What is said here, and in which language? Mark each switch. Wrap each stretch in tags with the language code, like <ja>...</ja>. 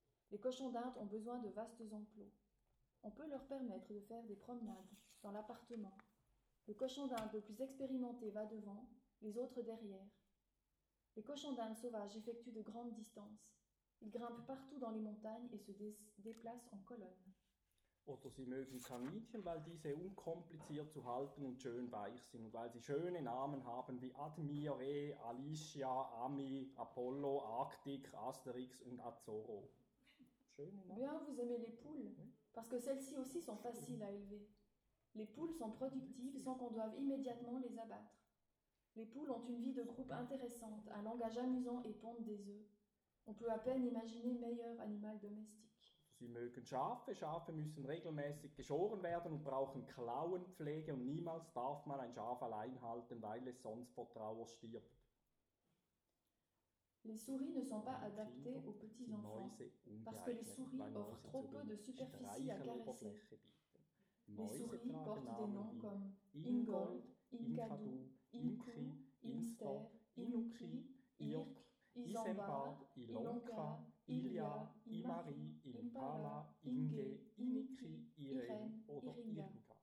<fr>Les cochons d'Inde ont besoin de vastes enclos. On peut leur permettre de faire des promenades dans l'appartement. Le cochon d'Inde le plus expérimenté va devant, les autres derrière. Les cochons d'Inde sauvages effectuent de grandes distances. Ils grimpent partout dans les montagnes et se déplacent en colonne.</fr> <de>Oder sie mögen Kaninchen, weil diese unkompliziert zu halten und schön weich sind und weil sie schöne Namen haben wie Admire, Alicia, Ami, Apollo, Arctic, Asterix und Azoro. Schöne Namen.</de> <fr>Bien, vous aimez les poules, parce que celles-ci aussi sont faciles à élever. Les poules sont productives sans qu'on doive immédiatement les abattre. Les poules ont une vie de groupe intéressante, un langage amusant et pondent des œufs. On peut à peine imaginer meilleur animal domestique.</fr> <de>Sie mögen Schafe. Schafe müssen regelmäßig geschoren werden und brauchen Klauenpflege. Und niemals darf man ein Schaf allein halten, weil es sonst vor Trauer stirbt.</de> <fr>Les souris ne sont pas adaptées aux petits enfants, parce que les souris offrent trop peu de superficie à caresser. Les souris portent des noms comme Ingold, Inkadu, Inkri, Inster, Inukri, Irk, Isambard, Ilonka, Ilia, Imari, Impala, Inge, Inikri, Irene</fr> <de>oder</de> <fr>Irinka.</fr>